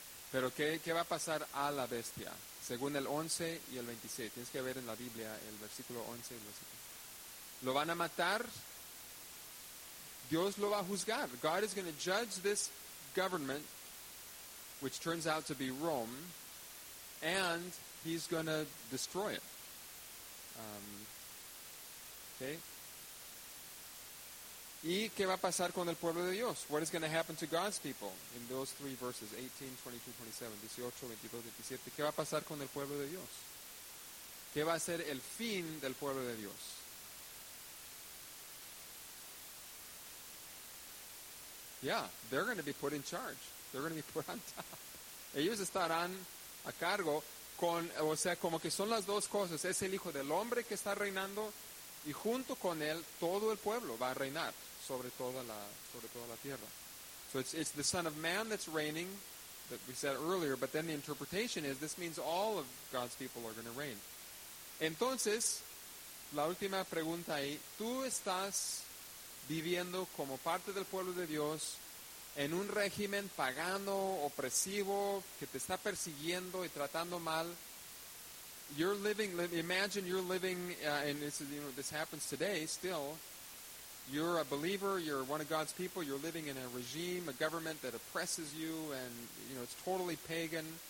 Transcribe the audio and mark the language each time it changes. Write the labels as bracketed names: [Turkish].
[Spanish] Pero ¿qué va a pasar a la bestia? Según el 11 y el 26. Tienes que ver en la Biblia el versículo 11 y el versículo. ¿Lo van a matar? Dios lo va a juzgar. [English] God is going to judge this government, which turns out to be Rome, and he's going to destroy it. Okay. [Spanish] ¿Y qué va a pasar con el pueblo de Dios? [English] What is going to happen to God's people? In those three verses, 18, 22, 27, 18, 22, 27. [Spanish] ¿Qué va a pasar con el pueblo de Dios? ¿Qué va a ser el fin del pueblo de Dios? [English] Yeah, they're going to be put in charge. They're going to be put on top. [Spanish] Ellos estarán a cargo con, o sea, como que son las dos cosas. Es el Hijo del Hombre que está reinando y junto con él todo el pueblo va a reinar. Sobre toda la tierra. [English] So it's the Son of Man that's reigning, that we said earlier, but then the interpretation is this means all of God's people are going to reign. [Spanish] Entonces, la última pregunta ahí, ¿tú estás viviendo como parte del pueblo de Dios en un régimen pagano, opresivo, que te está persiguiendo y tratando mal? [English] You're living, imagine you're living, and this is, you know, this happens today still. You're a believer, you're one of God's people, you're living in a regime, a government that oppresses you, and, you know, it's totally pagan.